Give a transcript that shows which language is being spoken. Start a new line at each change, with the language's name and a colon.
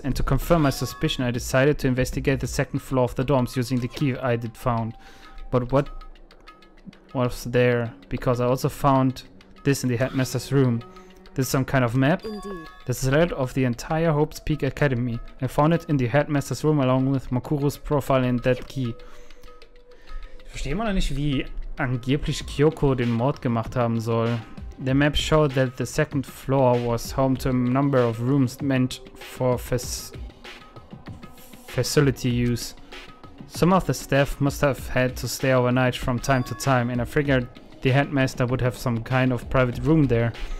English: And to confirm my suspicion, I decided to investigate the second floor of the dorms using the key I did found. But what was there? Because I also found this in the headmaster's room. This is some kind of map? Indeed. This is a letter of the entire Hobbs Peak Academy. I found it in the headmaster's room along with Makuru's profile and that key.
German: Ich verstehe immer noch nicht, wie angeblich Kyoko den Mord gemacht haben soll.
English: The map showed that the second floor was home to a number of rooms meant for facility use. Some of the staff must have had to stay overnight from time to time, and I figured the headmaster would have some kind of private room there.